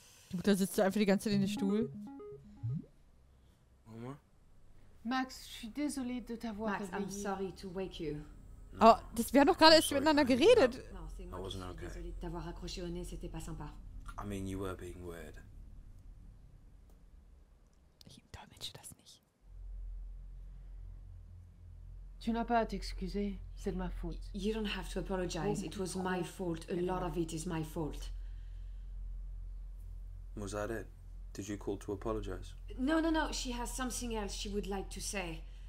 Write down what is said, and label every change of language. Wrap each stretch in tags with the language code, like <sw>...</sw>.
<de>Die Mutter sitzt ja einfach die ganze Zeit in den Stuhl. Mama?</de> <fr>Max, je suis désolée de t'avoir réveillé.</fr> <en>Max, I'm sorry to wake you.</en> <de>Oh, das, wir haben doch gerade erst miteinander geredet.</de> <en>I wasn't okay.</en> <fr>Je suis désolée de t'avoir raccroché au nez, c'était pas sympa.</fr> <en>I mean, you were being weird.</en> <de>Ich dolmetsche das nicht.</de> <fr>Tu n'as pas à t'excuser, c'est de ma faute.</fr> <en>You don't have to apologize, it was my fault. A lot of it is my fault. Was that it? Did you call to apologize? No, no, no. She has something else she would like to say.</en>